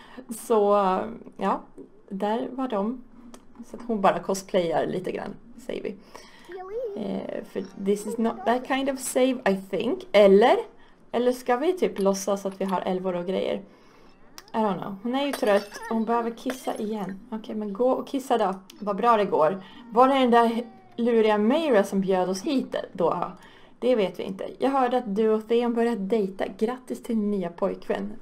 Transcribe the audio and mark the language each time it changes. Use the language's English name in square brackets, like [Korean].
[Swedish] Så, ja, där var de. Så att hon bara cosplayar lite grann, säger vi. För [English] this is not that kind of save, I think. [Swedish] Eller ska vi typ låtsas att vi har älvor och grejer? [English] I don't know. [Swedish] Hon är ju trött. Hon behöver kissa igen. Okej, men gå och kissa då. Vad bra det går. Var är den där luriga Mayra som bjöd oss hit då? Det vet vi inte. Jag hörde att du och Theon börjat dejta. Grattis till din nya pojkvän.